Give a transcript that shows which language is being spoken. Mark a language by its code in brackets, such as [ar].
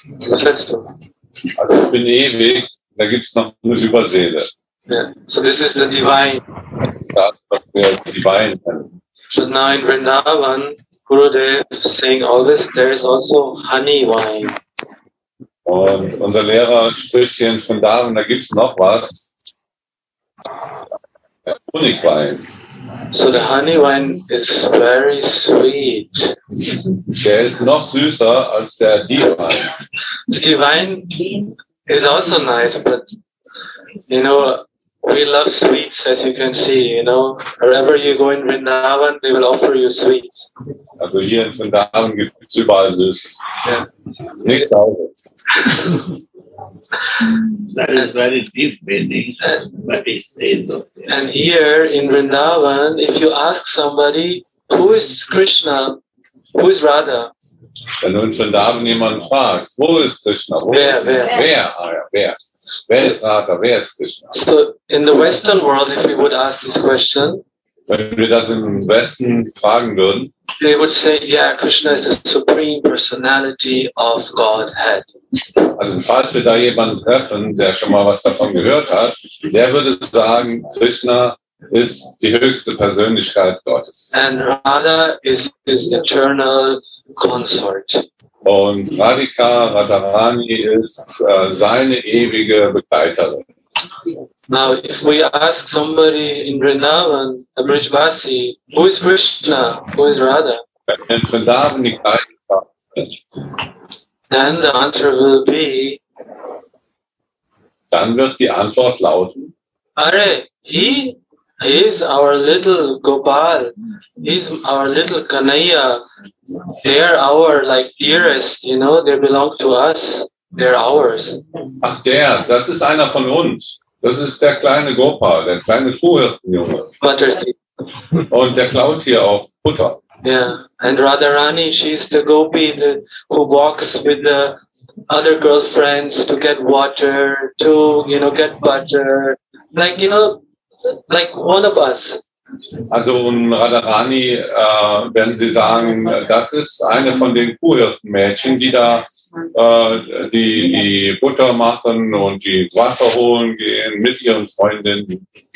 [de] Also ich bin ewig. Da gibt's noch eine Überseele. [en] Yeah. So this is the divine. But now in Vrindavan, Gurudev saying always there is also honey wine. [de] Und unser Lehrer spricht hier in Vrindavan, da gibt's noch was. Honigwein. [en] So the honey wine is very sweet. [de] Der ist noch süßer als der Divine. [en] The divine is also nice, but you know, we love sweets, as you can see, you know. Wherever you go in Vrindavan, they will offer you sweets. [de] Also hier in Vrindavan gibt es überall Süßes. [en] Yeah. [de] Nichts anderes. [en] That is very deep meaning. And here in Vrindavan, if you ask somebody, who is Krishna, who is Radha? [de] Wenn du in Vrindavan jemanden fragst, wo ist Krishna, wo wer, ist Krishna? Wer? Wer? Ah, ja, wer? Wer ist Radha? Wer ist Krishna? [en] So in the Western world, if we would ask this question, [de] wenn wir das im Westen fragen würden, [en] they would say, yeah, Krishna is the supreme personality of Godhead. [de] Also falls wir da jemanden treffen, der schon mal was davon gehört hat, der würde sagen, Krishna ist die höchste Persönlichkeit Gottes. [en] And Radha is his eternal consort. [de] Und Radhika Radharani ist seine ewige Begleiterin. [en] Now, if we ask somebody in Vrindavan, a Brijvasi, who is Krishna, who is Radha? In Vrindavan, then the answer will be. [de] Dann wird die Antwort lauten. [en] Are, he is our little Gopal. He's our little Kanaya. They're our, like, dearest, you know, they belong to us. They're ours. [de] Ach, der, das ist einer von uns. Das ist der kleine Gopal, der kleine Kuhhirtenjunge. Und der klaut hier auch Butter. [en] Yeah, and Radharani, she's the gopi who walks with the other girlfriends to get water, to, you know, get butter. Like, you know, like one of us. [de] Also in Radharani werden sie sagen, das ist eine von den Kuhhirtenmädchen, die da die Butter machen und die Wasser holen gehen mit ihren Freundinnen.